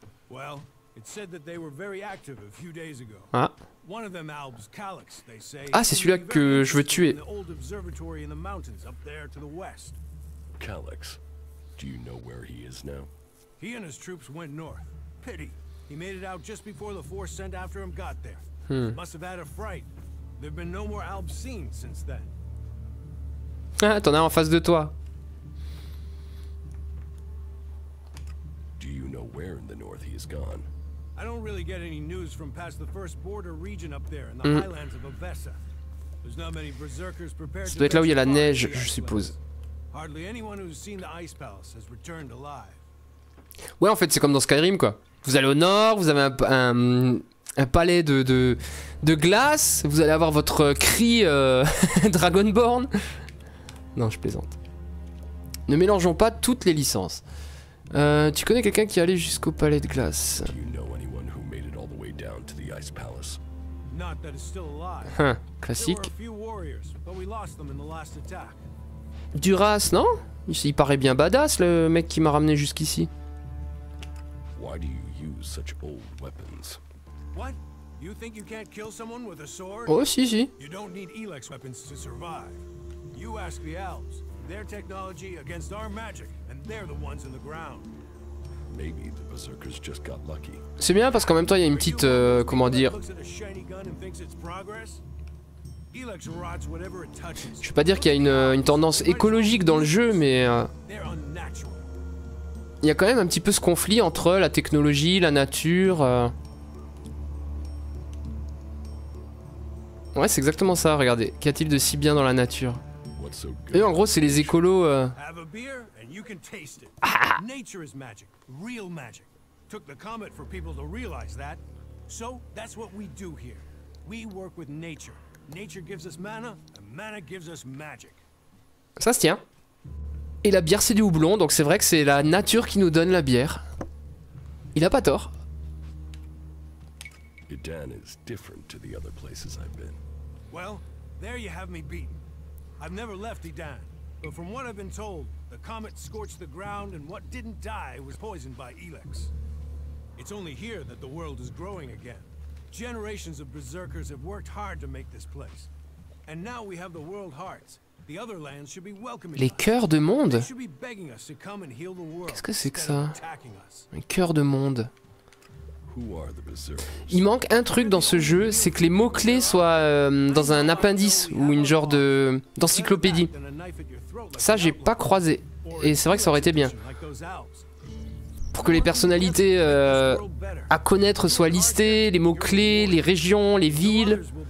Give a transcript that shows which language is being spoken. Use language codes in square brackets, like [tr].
[en] Well, it said that they were very active a few days ago. Ah. [fr] Ah, c'est celui-là que je veux tuer. [en] Kallax. Do you know where he is now? He and his troops went north. Pity. He made it out just before the force sent after him got there. Hmm. Must have had a fright. There've been no more Albs seen since then. [fr] Ah, t'en as en face de toi. [en] Do you know where in the north he is gone? I don't really get any news from past the first border region up there in the highlands of Avessa. There's not many berserkers prepared. [fr] Ça doit être là où il y a la neige, je suppose. [en] Hardly anyone who's seen the ice palace has returned alive. [fr] Ouais, en fait, c'est comme dans Skyrim, quoi. Vous allez au nord, vous avez un palais de glace, vous allez avoir votre cri Dragonborn. Non, je plaisante. Ne mélangeons pas toutes les licences. Tu connais quelqu'un qui est allé jusqu'au palais de glace? [en] Do you know anyone who made it all the way down to the ice palace? Not that it's still alive. [fr] Hein, classique. [en] There were a few warriors, but we lost them in the last attack. [fr] Duras, non? Il paraît bien badass, le mec qui m'a ramené jusqu'ici. [en] Why do you use such old weapons? What? You think you can't kill someone with a sword? [fr] Oh, si, si. [en] You don't need Elex weapons to survive. You ask the elves. Their technology against our magic. They're the ones in the ground. Maybe the berserkers just got lucky. [fr] C'est bien parce qu'en même temps il y a une petite comment dire. Je vais pas dire qu'il y a une tendance écologique dans le jeu, mais il y a quand même un petit peu ce conflit entre la technologie, la nature. Ouais, c'est exactement ça, regardez. Qu'y a-t-il de si bien dans la nature? Et en gros, c'est les écolos. [en] You can taste it. Nature is magic, real magic. Took the comet for people to realize that. So that's what we do here. We work with nature. Nature gives us mana, and mana gives us magic. [fr] Ça se tient. Et la bière, c'est du houblon, donc c'est vrai que c'est la nature qui nous donne la bière. Il a pas tort. [en] Edan is different to the other places I've been. Well, there you have me beaten. I've never left Edan, but from what I've been told. The comet scorched the ground, and what didn't die was poisoned by Elex. It's only here that the world is growing again. Generations of berserkers have worked hard to make this place. And now we have the world hearts. The other lands should be welcoming [fr] us. Les cœurs de monde? [en] They should be begging us to come and heal the world. [fr] Qu'est-ce que c'est que ça? Un cœur de monde. [en] Who are the berserkers? [fr] Il manque un truc dans ce jeu, c'est que les mots-clés soient dans un appendice ou une genre de d'encyclopédie. Ça, j'ai pas croisé. Et c'est vrai que ça aurait été bien. Pour que les personnalités à connaître soient listées, les mots-clés, les régions, les villes.